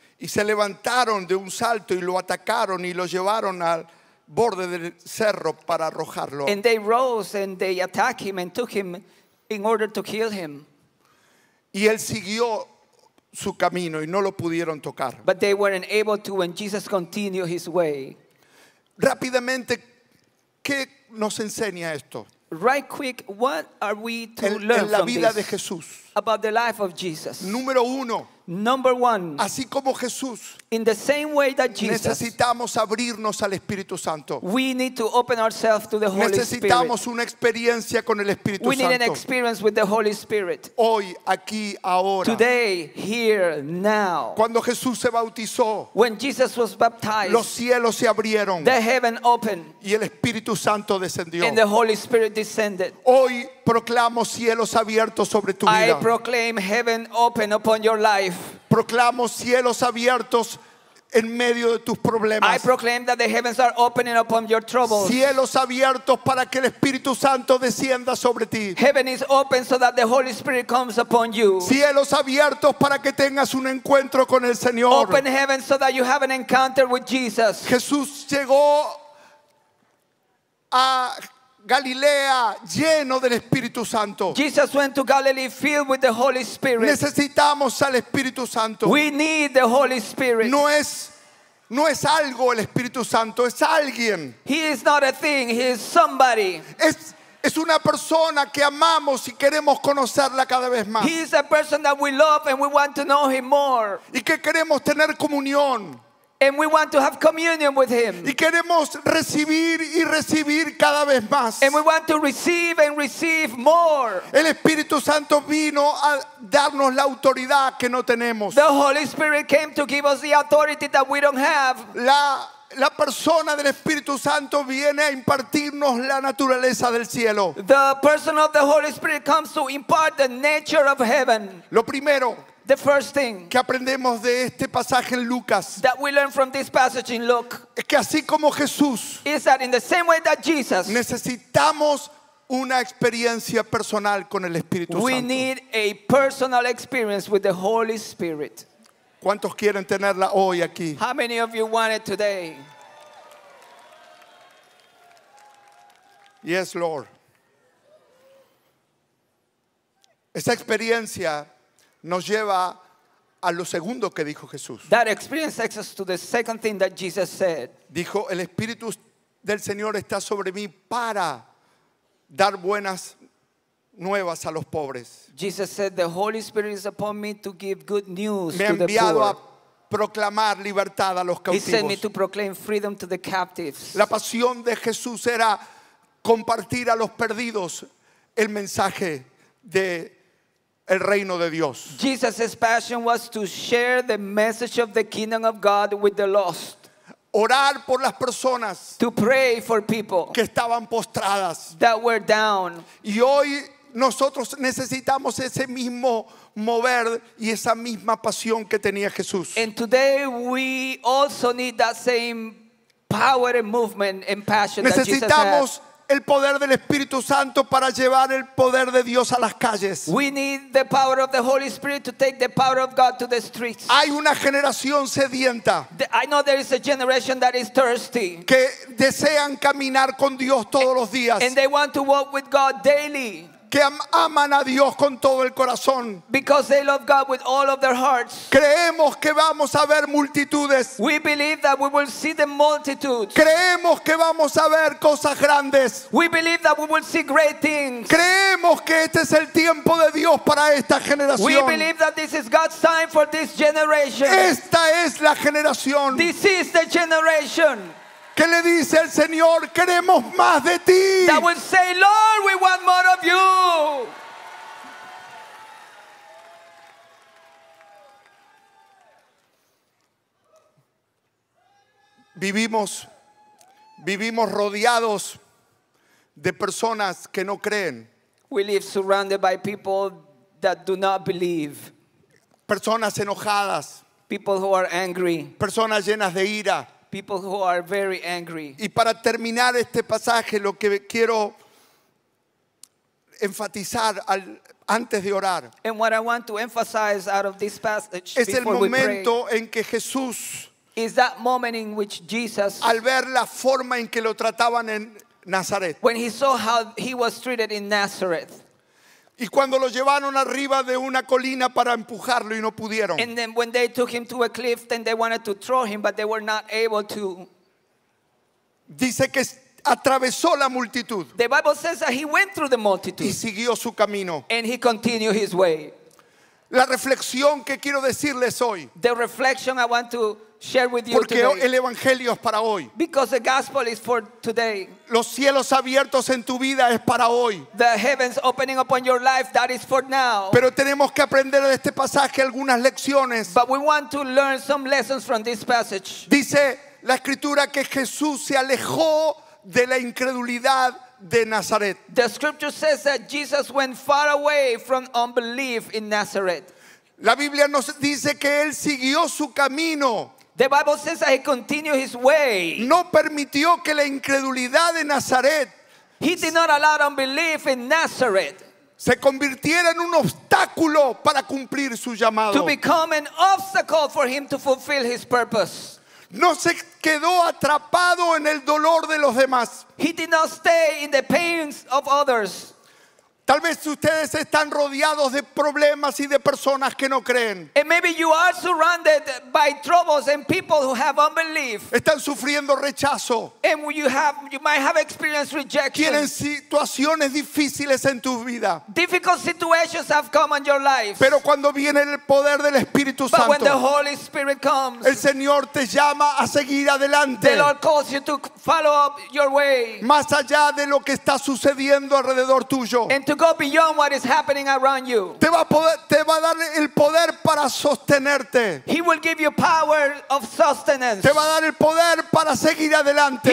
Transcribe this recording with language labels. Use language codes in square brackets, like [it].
[es] Y se levantaron de un salto y lo atacaron y lo llevaron al borde del cerro para arrojarlo. [en] And they rose and they attacked him and took him in order to kill him. [es] Y él siguió su camino y no lo pudieron tocar. [en] But they weren't able to when Jesus continued his way. [es] Rápidamente, ¿qué nos enseña esto? [en] Right quick, what are we to learn [es] en la vida [en] from this [es] de Jesús. [en] About the life of Jesus? [es] Número uno. [en] Number one. [es] Así como Jesús. [en] In the same way that Jesus. [es] Necesitamos abrirnos al Espíritu Santo. [en] We need to open ourselves to the Holy [es] necesitamos [en] Spirit. [es] Necesitamos una experiencia con el Espíritu [en] we [es] Santo. [en] We need an experience with the Holy Spirit. [es] Hoy, aquí, ahora. [en] Today, here, now. [es] Cuando Jesús se bautizó. [en] When Jesus was baptized. [es] Los cielos se abrieron. [en] The heaven opened. [es] Y el Espíritu Santo descendió. [en] And the Holy Spirit descended. [es] Hoy proclamo cielos abiertos sobre tu vida. [en] I proclaim heaven open upon your life. [es] Proclamo cielos abiertos en medio de tus problemas. [en] I proclaim that the heavens are opening upon your troubles. [es] Cielos abiertos para que el Espíritu Santo descienda sobre ti. [en] Heaven is open so that the Holy Spirit comes upon you. [es] Cielos abiertos para que tengas un encuentro con el Señor. [en] Open heaven so that you have an encounter with Jesus. [es] Jesús llegó a Galilea lleno del Espíritu Santo. [en] Jesus went to Galilee filled with the Holy Spirit. [es] Necesitamos al Espíritu Santo. [en] We need the Holy Spirit. [es] No es algo el Espíritu Santo, es alguien. [en] He is not a thing, he is somebody. [es] Es una persona que amamos y queremos conocerla cada vez más. [en] He is a person that we love and we want to know him more. [es] Y que queremos tener comunión. [en] And we want to have communion with him. [es] Y queremos recibir y recibir cada vez más. [en] And we want to receive and receive more. [es] El Espíritu Santo vino a darnos la autoridad que no tenemos. [en] The Holy Spirit came to give us the authority that we don't have. [es] La persona del Espíritu Santo viene a impartirnos la naturaleza del cielo. [en] The person of the Holy Spirit comes to impart the nature of heaven. [es] Lo primero. [en] The first thing [es] que aprendemos de este pasaje en Lucas, [en] that we learn from this passage in Luke [es] es que así como Jesús, [en] is that in the same way that Jesus [es] necesitamos una experiencia personal con el Espíritu [en] we [es] Santo. [en] We need a personal experience with the Holy Spirit. [es] ¿Cuántos quieren tenerla hoy aquí? [en] How many of you want it today? Yes, Lord. [es] Esa experiencia nos lleva a lo segundo que dijo Jesús. [en] That experience takes us to the second thing that Jesus said. [es] Dijo, el Espíritu del Señor está sobre mí para dar buenas nuevas a los pobres. [en] Jesus said, the Holy Spirit is upon me to give good news to the poor. [es] Me ha enviado a proclamar libertad a los cautivos. [en] He sent me to proclaim freedom to the captives. [es] La pasión de Jesús era compartir a los perdidos el mensaje de el reino de Dios. [en] Jesus' passion was to share the message of the kingdom of God with the lost. [es] Orar por las personas [en] to pray for people [es] que estaban postradas [en] that were down. [es] Y hoy nosotros necesitamos ese mismo mover y esa misma pasión que tenía Jesús. [en] And today we also need that same power and movement and passion [es] necesitamos [en] that Jesus had. [es] El poder del Espíritu Santo para llevar el poder de Dios a las calles. [en] We need the power of the Holy Spirit to take the power of God to the streets. [es] Hay una generación sedienta. [en] I know there is a generation that is thirsty. [es] Que desean caminar con Dios todos los días. [en] And they want to walk with God daily. [es] Que aman a Dios con todo el corazón. [en] Because they love God with all of their hearts. [es] Creemos que vamos a ver multitudes. [en] We believe that we will see the multitudes. [es] Creemos que vamos a ver cosas grandes. [en] We believe that we will see great things. [es] Creemos que este es el tiempo de Dios para esta generación. [en] We believe that this is God's time for this generation. [es] Esta es la generación. [en] This is the generation. [es] ¿Qué le dice el Señor? Queremos más de ti. [en] That would say, Lord, we want more of you. [es] Vivimos rodeados de personas que no creen. [en] We live surrounded by people that do not believe. [es] Personas enojadas. [en] People who are angry. [es] Personas llenas de ira. [en] People who are very angry. [es] Y para terminar este pasaje, lo que quiero enfatizar antes de orar. [en] And what I want to emphasize out of this passage [es] es el momento en que Jesús, [en] is that moment in which Jesus, [es] al ver la forma en que lo trataban en Nazaret, [en] when he saw how he was treated in Nazareth. [es] Y cuando lo llevaron arriba de una colina para empujarlo y no pudieron. [en] And then when they took him to a cliff, then they wanted to throw him, but they were not able to. [es] Dice que atravesó la multitud. [en] The Bible says that he went through the multitude. [es] Y siguió su camino. [en] And he continued his way. [es] La reflexión que quiero decirles hoy. [en] The reflection I want to share with you [es] porque [en] today. [es] Porque el evangelio es para hoy. [en] Because the gospel is for today. [es] Los cielos abiertos en tu vida es para hoy. [en] The heavens opening upon your life, that is for now. [es] Pero tenemos que aprender de este pasaje algunas lecciones. [en] But we want to learn some lessons from this passage. [es] Dice la escritura que Jesús se alejó de la incredulidad de Nazaret. [en] The scripture says that Jesus went far away from unbelief in Nazareth. [es] La Biblia nos dice que él siguió su camino. [en] The Bible says that he continued his way. [es] No permitió que la incredulidad de Nazaret, [en] he did not allow unbelief in Nazareth, [es] se convirtiera en un obstáculo para cumplir su llamado. [en] To become an obstacle for him to fulfill his purpose. [es] No se quedó atrapado en el dolor de los demás. [en] He did not stay in the pains of others. [es] Tal vez ustedes están rodeados de problemas y de personas que no creen. [en] And maybe you are surrounded by troubles and people who have unbelief. [es] Están sufriendo rechazo. [en] And you might have experienced rejection. [es] Tienen situaciones difíciles en tu vida. [en] Difficult situations have come in your life. [es] Pero cuando viene el poder del Espíritu Santo, [en] but when the Holy Spirit comes, [es] el Señor te llama a seguir adelante. [en] The Lord calls you to follow up your way. [es] Más allá de lo que está sucediendo alrededor tuyo. [en] And to go beyond what is happening around you. [es] Te va a dar el poder para sostenerte. [en] He will give you power of sustenance. [es] Te va a dar el poder para seguir adelante.